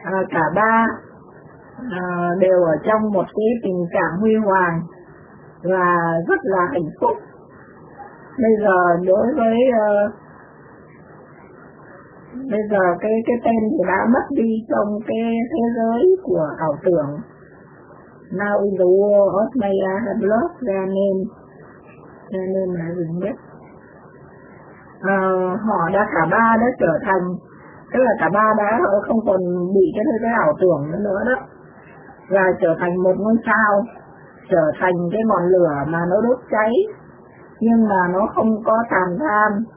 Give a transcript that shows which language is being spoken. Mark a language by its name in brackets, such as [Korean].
[Vietnamese] Cả ba đều ở trong một cái tình trạng huy hoàng và rất là hạnh phúc. Bây giờ đối với bây giờ cái tên thì đã mất đi trong cái thế giới của ảo tưởng. [English] Now in the world of Maya have lost their name. Their name [Vietnamese] là gì nhất? Họ đã, cả ba đã trở thành, tức là cả ba đã không còn bị cái ảo tưởng nữa đó, và trở thành một ngôi sao, trở thành cái ngọn lửa mà nó đốt cháy, nhưng mà nó không có tàn tham.